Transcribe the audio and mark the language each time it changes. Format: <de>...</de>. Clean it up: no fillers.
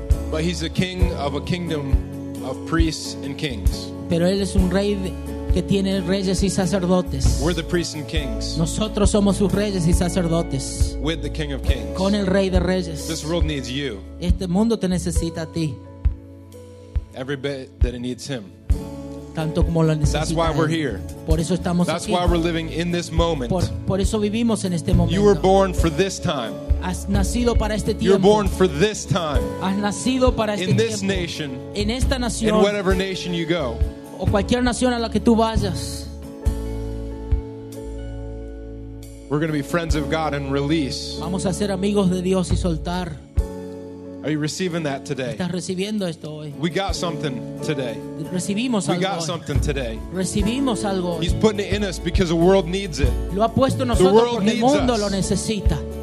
<en>But he's a king of a kingdom of priests and kings.</en> <es>Pero él es un rey que tiene reyes y sacerdotes.</es> <en>We're the priests and kings.</en> <es>Nosotros somos sus reyes y sacerdotes.</es> <en>With the king of kings.</en> <es>Con el rey de reyes.</es> <en>This world needs you.</en> <es>Este mundo te necesita a ti.</es> <en>Every bit that it needs him.</en> <es>Tanto como lo necesita.</es> <en>That's why we're here.</en> <es>Por eso estamos</es> <en>That's</en> <es>aquí.</es> <en>Why we're living in this moment.</en> <es>Por eso vivimos en este momento.</es> <en>You were born for this time.</en> <es>Has nacido para este tiempo.</es> <en>You're born for this time.</en> <es>Has nacido para este</es> <en>in this</en> <es>tiempo.</es> <en>Nation.</en> <es>En esta nación.</es> <en>In whatever nation you go.</en> <es>O cualquier nación a la que tú vayas.</es> <en>We're going to be friends of God and release.</en> <es>Vamos a ser amigos de Dios y soltar.</es> <en>Are you receiving that today?</en> <es>¿Estás recibiendo esto hoy?</es> <en>We got something today.</en> <es>Recibimos algo.</es> <en>We got something today.</en> <es>Recibimos algo.</es> <en>He's putting it in us because the world needs it.</en> <es>Lo ha puesto nosotros porque el mundo lo necesita.</es>